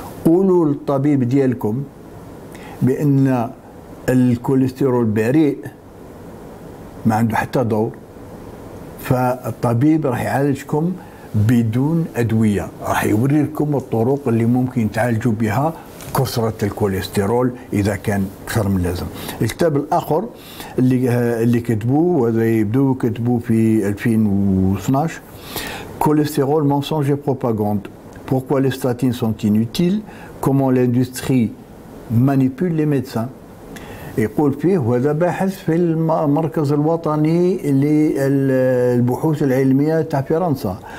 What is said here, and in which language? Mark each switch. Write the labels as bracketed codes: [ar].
[ar] قولوا للطبيب ديالكم بأن الكوليسترول بريء ما عنده حتى دور فالطبيب راح يعالجكم بدون أدوية راح يوريكم الطرق اللي ممكن تعالجوا بها كثرة الكوليسترول إذا كان أكثر من اللازم. الكتاب الآخر اللي كتبوه وهذا يبدو كتبوه في 2012 كوليسترول منسونج و بروباغاند. [fr] Pourquoi les statines sont inutiles? Comment l'industrie manipule les médecins? [ar] يقول فيه وهذا باحث في المركز الوطني للبحوث العلمية تاع فرنسا.